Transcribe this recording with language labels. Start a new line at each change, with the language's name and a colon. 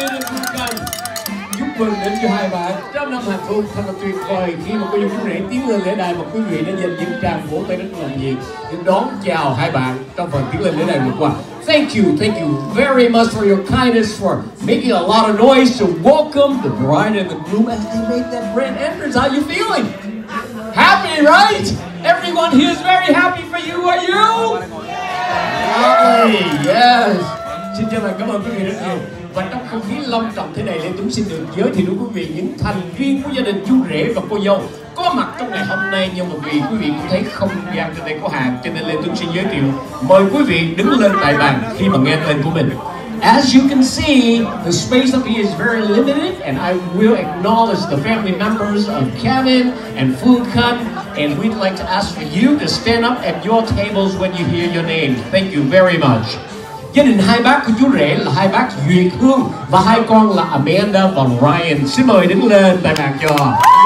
Vietnamese: thứ hai và 100 năm hạnh phúc thật là tuyệt vời khi mà quý vị muốn rẽ tiến lên lễ đài mà quý vị đã dành những tràng vỗ tay rất là nhiệt để đón chào hai bạn trong phần tiến lên lễ đài vừa qua.
English: Thank you very much for your kindness, for making a lot of noise to welcome the bride and the groom as they make that grand entrance. How are you feeling? Happy, right? Everyone here is very happy for you. Are you? Hi, yes.
Vietnamese: Xin chân thành cảm ơn quý vị rất nhiều. Và trong không khí long trọng thế này, Lê Tuấn xin được giới thiệu đến quý vị những thành viên của gia đình chú rể và cô dâu có mặt trong ngày hôm nay. Nhưng mà vì quý vị cũng thấy không gian trên đây có hạn, cho nên Lê Tuấn xin giới thiệu, mời quý vị đứng lên tại bàn khi mà nghe tên của mình.
English: As you can see, the space up here is very limited, and I will acknowledge the family members of Kevin and Fukun, and we'd like to ask for you to stand up at your tables when you hear your name. Thank you very much.
Vietnamese: Gia đình hai bác của chú rể là hai bác Duyệt Hương và hai con là Amanda và Ryan. Xin mời đứng lên tại bàn cho.